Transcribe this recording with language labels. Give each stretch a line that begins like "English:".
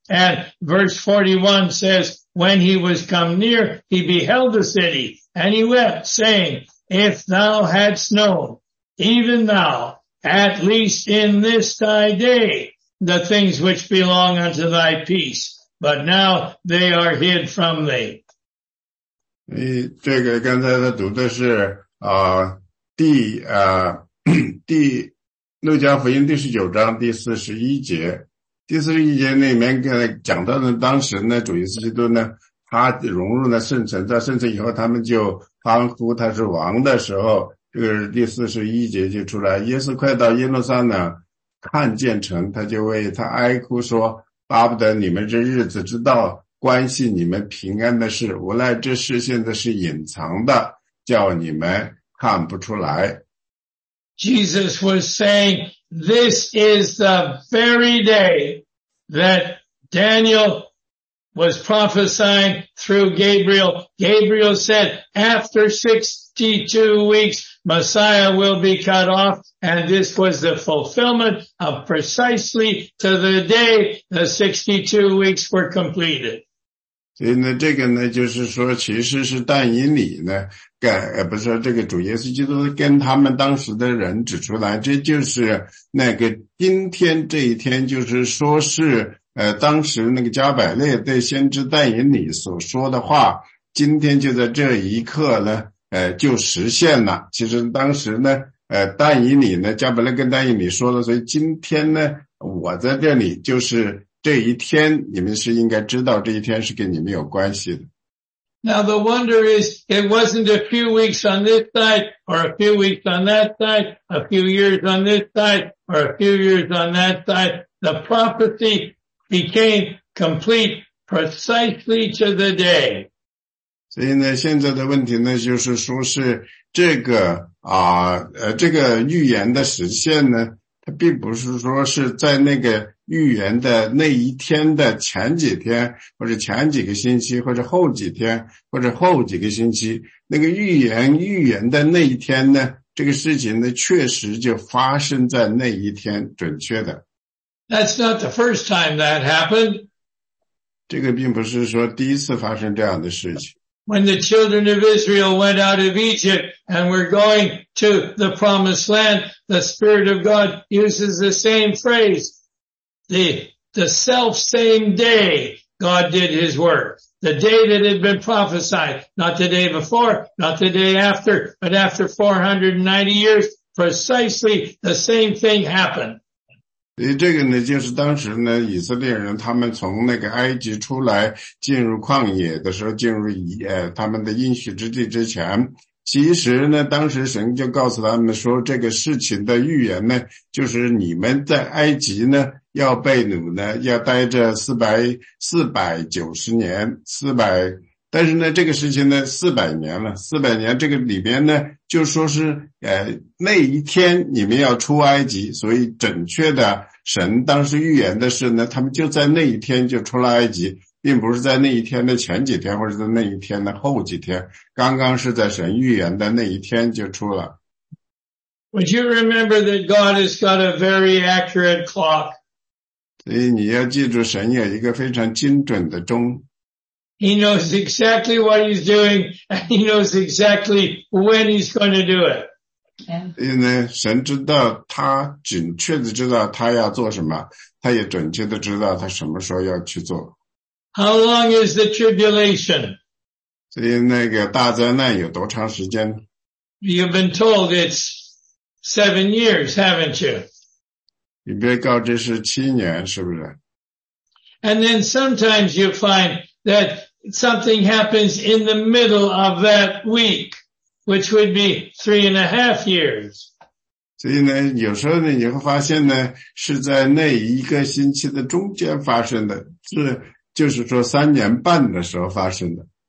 English: And verse 41 says, when he was come near, he beheld the city, and he wept, saying, if thou hadst known, even thou, at least in this thy day, the things which belong unto thy peace, but now they are hid from thee.
Chinese: 这个刚才他读的是第路加福音第十九章第四十一节。第四十一节里面讲到的当时呢主耶稣基督呢他融入了圣城，在圣城以后他们就欢呼他是王的时候，这个第四十一节就出来，耶稣快到耶路撒冷看见城，他就为他哀哭说，巴不得你们这日子知道关系你们平安的事，无奈这事现在是隐藏的，叫你们看不出来。
English: Jesus was saying, this is the very day that Daniel was prophesying through Gabriel. Gabriel said, after 62 weeks, Messiah will be cut off. And this was the fulfillment of precisely to the day the 62 weeks were completed.
Chinese: 所以呢这个呢就是说其实是但以理呢不是这个主耶稣基督跟他们当时的人指出来，这就是那个今天这一天，就是说是当时那个加百列对先知但以理所说的话，今天就在这一刻呢就实现了。其实当时呢但以理呢加百列跟但以理说了，所以今天呢我在这里就是这一天，你们是应该知道这一天是跟你们有关系的。
English: Now the wonder is, it wasn't a few weeks on this side, or a few weeks on that side, a few years on this side, or a few years on that side. The prophecy became complete precisely to the day.
Chinese: 所以呢，现在的问题呢，就是说是这个这个预言的实现呢，它并不是说是在那个预言的那一天的前几天，或者前几个星期，或者后几天，或者后几个星期，那个预言的那一天呢，这个事情呢确实就发生在那一天，准确的。
English: That's not the first time that happened.
Chinese: 这个并不是说第一次发生这样的事情。
English: When the children of Israel went out of Egypt and were going to the promised land, the Spirit of God uses the same phrase. The self-same day God did his work. The day that had been prophesied, not the day before, not the day after, but after 490 years, precisely the same thing happened.
Chinese: 这个呢就是当时呢以色列人他们从那个埃及出来进入旷野的时候，进入他们的应许之地之前，其实呢当时神就告诉他们说，这个事情的预言呢就是你们在埃及呢要被掳呢要待着490年但是呢这个事情呢400年，这个里边呢就说是那一天你们要出埃及，所以准确的神当时预言的是呢他们就在那一天就出了埃及，并不是在那一天的前几天或者在那一天的后几天，刚刚是在神预言的那一天就出了。
English: Would you remember that God has got a very accurate clock?
Chinese: 所以你要记住神有一个非常精准的钟。
English: He knows exactly what he's doing, and he knows exactly when he's going to do it.
Chinese: 因为神知道他准确地知道他要做什么，他也准确地知道他什么时候要去做。
English: How long is the tribulation?
Chinese: 所以那个大灾难有多长时间？
English: You've been told it's 7 years, haven't you?
Chinese: 你被告知是7年，是不是？
English: And then sometimes you find... that something happens in the middle of that week, which would be 3.5 years.
Chinese: 所以呢有时候呢你会发现呢是在那一个星期的中间发生的，是就是说3年半的时候发生的。